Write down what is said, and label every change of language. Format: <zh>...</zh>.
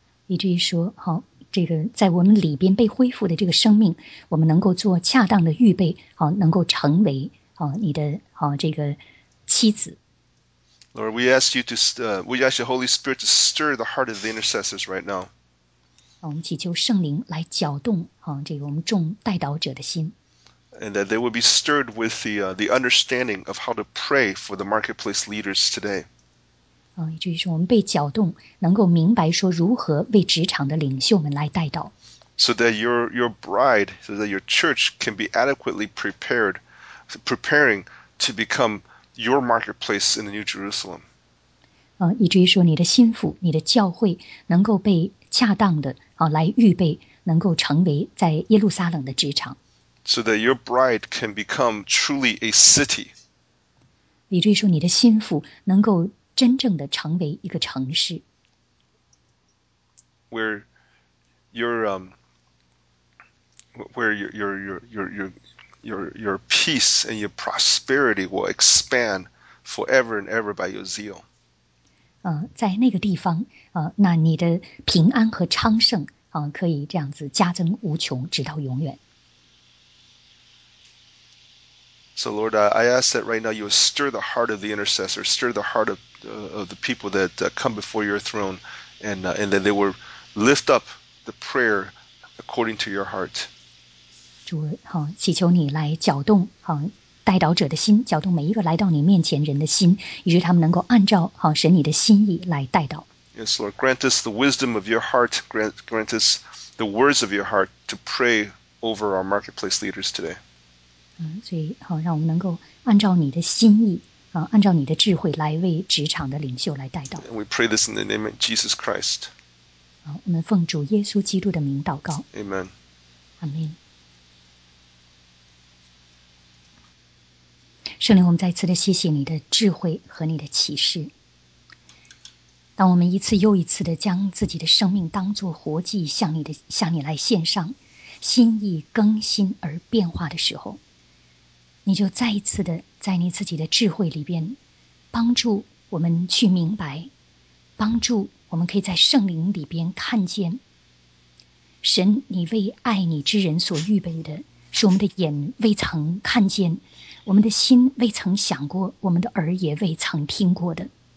<zh>以至于说，好，这个在我们里边被恢复的这个生命，我们能够做恰当的预备，好，能够成为好你的好这个妻子。</zh> <en>Lord, we ask you to, we ask the Holy Spirit to stir the heart of the intercessors right now.</en> <zh>我们祈求圣灵来搅动好这个我们众代祷者的心。</zh> <en>And that they will be stirred with the understanding of how to pray for the marketplace leaders today.</en> <zh>以至于说我们被搅动，能够明白说如何为职场的领袖们来代祷。</zh> <en>So that your bride, so that your church can be adequately prepared, preparing to become your marketplace in the New Jerusalem.</en> <zh>以至于说你的心腹，你的教会能够被恰当的来预备，能够成为在耶路撒冷的职场。</zh> <en>So that your bride can become truly a city.</en> <zh>以至于说你的心腹能够真正的成为一个城市。</zh> <en>Where your peace and your prosperity will expand forever and ever by your zeal.</en> <zh>在那个地方那你的平安和昌盛可以这样子加增无穷直到永远。</zh> <en>So Lord, I ask that right now you stir the heart of the intercessor, stir the heart of the people that come before your throne, and that they will lift up the prayer according to your heart.</en> <zh>主，好，祈求你来搅动，好，代祷者的心，搅动每一个来到你面前人的心，以致他们能够按照好神你的心意来代祷。</zh> <en>Yes, Lord, grant us the wisdom of your heart, grant us the words of your heart to pray over our marketplace leaders today.</en> <zh>所以好，让我们能够按照你的心意按照你的智慧来为职场的领袖来代祷。</zh> <en>And we pray this in the name of Jesus Christ.</en> <zh>我们奉主耶稣基督的名祷告。</zh> <en>Amen. Amen.</en> <zh>圣灵，我们再次的谢谢你的智慧和你的启示。当我们一次又一次的将自己的生命当作活祭向你来献上，心意更新而变化的时候，你就再一次的在你自己的智慧里边帮助我们去明白，帮助我们可以在圣灵里边看见神你为爱你之人所预备的是我们的眼未曾看见，我们的心未曾想过，我们的耳也未曾听过的。</zh>